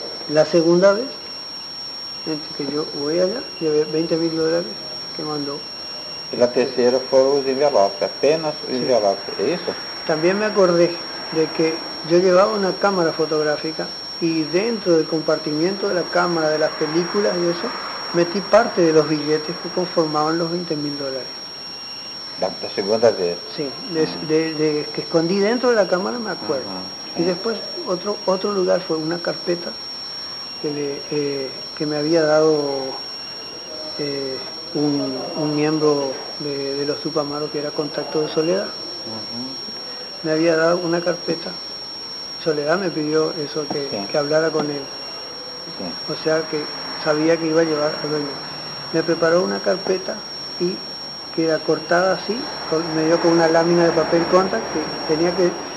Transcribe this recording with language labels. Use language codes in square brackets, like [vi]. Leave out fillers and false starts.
[es] La segunda vez que yo voy allá, llevé 20.000 dólares que mandó. [pt] E a terceira foram os envelopes, apenas os envelopes, é isso? Também me acordei de que eu levava uma câmera fotográfica e dentro do compartimento da câmera, das películas e isso, meti parte dos bilhetes que conformavam os 20 mil dólares. Da segunda vez? Sim, de que escondi dentro da câmera, [es] me acuerdo. Uhum, [pt] e depois, outro lugar foi uma carpeta que me havia dado... [es] un miembro de los Tupamaros que era contacto de Soledad uh-huh. me había dado una carpeta. Soledad me pidió eso, que, sí. que hablara con él sí. o sea que sabía que iba a llevar al dueño. Me preparó una carpeta y que era cortada así, me dio con una lámina de papel contact que tenía que